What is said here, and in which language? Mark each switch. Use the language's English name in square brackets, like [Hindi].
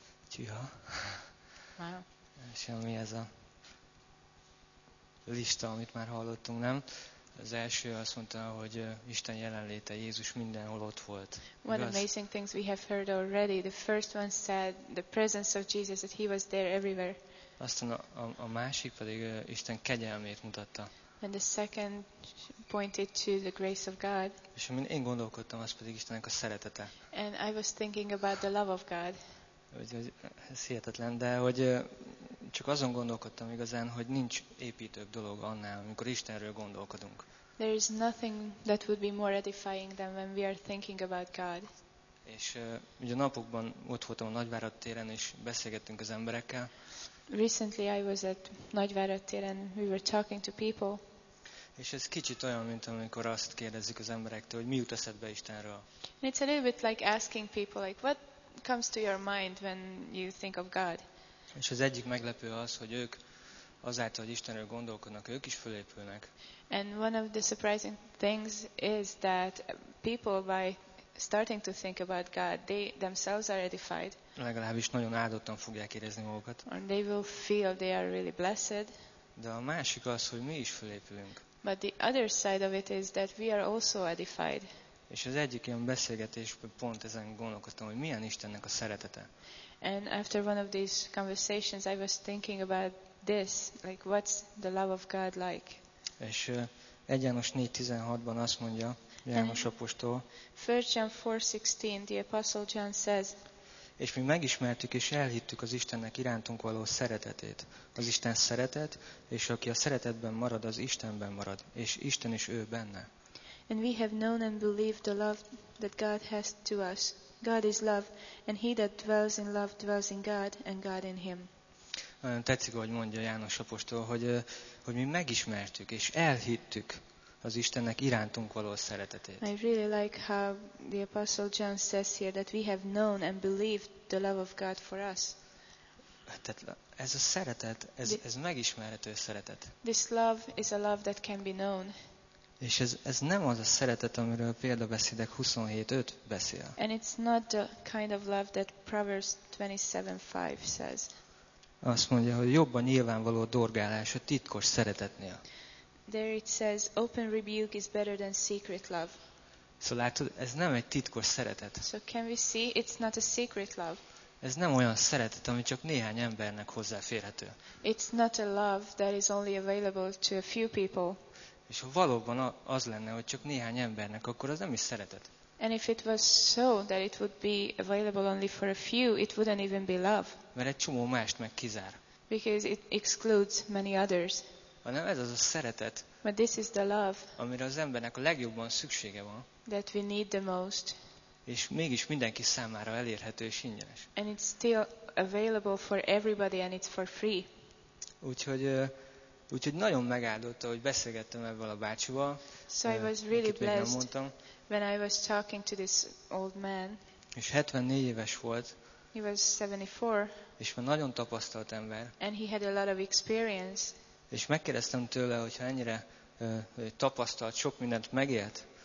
[Hungarian] Tja. És mi ez a lista, amit már hallottunk, nem? Az első azt mondta, hogy Isten jelenléte, Jézus mindenhol ott volt. [English] What amazing things we have heard already. The first one said the presence of Jesus, that he was there everywhere. [Hungarian] Aztán a másik pedig Isten kegyelmét mutatta. [English] And the second pointed to the grace of God. [Hungarian] És amin én gondolkodtam, az pedig Istennek a szeretete. [English] And I was thinking about the love of God. [Hungarian] Ez hihetetlen, de hogy csak azon gondolkodtam igazán, hogy nincs építőbb dolog annál, amikor Istenről gondolkodunk. [English] There is nothing that would be more edifying than when we are thinking about God. [Hungarian] És ugye napokban ott voltam a Nagyvárad téren, és beszélgettünk az emberekkel. [English] Recently I was at Nagyvárad téren, we were talking to people. [Hungarian] És ez kicsit olyan, mint amikor azt kérdezzük az emberektől, hogy mi jut eszedbe Istenről. [English] And it's a little bit like asking people, like, what comes to your mind when you think of God? [Hungarian] És az egyik meglepő az, hogy ők azáltal, hogy Istenről gondolkodnak, ők is fölépülnek. [English] And one of the surprising things is that people, by starting to think about God, they themselves are edified. [Hungarian] Legalábbis nagyon áldottan fogják érezni magukat. [English] And they will feel they are really blessed. [Hungarian] De a másik az, hogy mi is fölépülünk. [English] But the other side of it is that we are also edified. [Hungarian] És az egyik ilyen beszélgetés pont ezen gondolkoztam, hogy milyen Istennek a szeretete. [English] And after one of these conversations I was thinking about this, like, what's the love of God like? [Hungarian] És 1 János 4:16-ban azt mondja János apostol. [English] 1 John 4:16, the apostle John says, [Hungarian] és mi megismertük és elhittük az Istennek irántunk való szeretetét. Az Isten szeretet, és aki a szeretetben marad, az Istenben marad, és Isten is ő benne. [English] And we have known and believed the love that God has to us. God is love, and he that dwells in love dwells in God, and God in him. [Hungarian] Tetszik, ahogy mondja János apostol, hogy mi megismertük és elhittük az Istennek irántunk való szeretetét. [English] I really like how the apostle John says here that we have known and believed the love of God for us. [Hungarian] Tehát ez a szeretet, ez megismerhető szeretet. [English] This love is a love that can be known. [Hungarian] És ez nem az a szeretet, amiről a példabeszédek 27:5 beszél. [English] And it's not the kind of love that Proverbs 27:5 says. [Hungarian] Azt mondja, hogy jobban nyilvánvaló dorgálás a titkos szeretetnél. [English] There it says, open rebuke is better than secret love. [Hungarian] Szóval látod, ez nem egy titkos szeretet. [English] So can we see, it's not a secret love. [Hungarian] Ez nem olyan szeretet, ami csak néhány embernek hozzáférhető. [English] It's not a love that is only available to a few people. [Hungarian] És ha valóban az lenne, hogy csak néhány embernek, akkor az nem is szeretet. [English] And if it was so that it would be available only for a few, it wouldn't even be love. [Hungarian] Mert egy csomó mást meg kizár. [English] Because it excludes many others. [Hungarian] Hanem ez az a szeretet. [English] But this is the love. [Hungarian] Amire az embernek a legjobban szüksége van. [English] That we need the most. [Hungarian] És mégis mindenki számára elérhető és ingyenes. [English] And it's still available for everybody and it's for free. [Hungarian] Úgyhogy nagyon megáldott, hogy beszélgettem ebből a bácsival. [English] So I was really blessed when I was talking to this old man. [Hungarian] És 74 éves volt. [English] He was 74. [Hungarian] És már nagyon tapasztalt ember. [English] And he had a lot of experience. [Hungarian] És megkérdeztem tőle, hogyha ennyire tapasztalt, sok mindent megélt.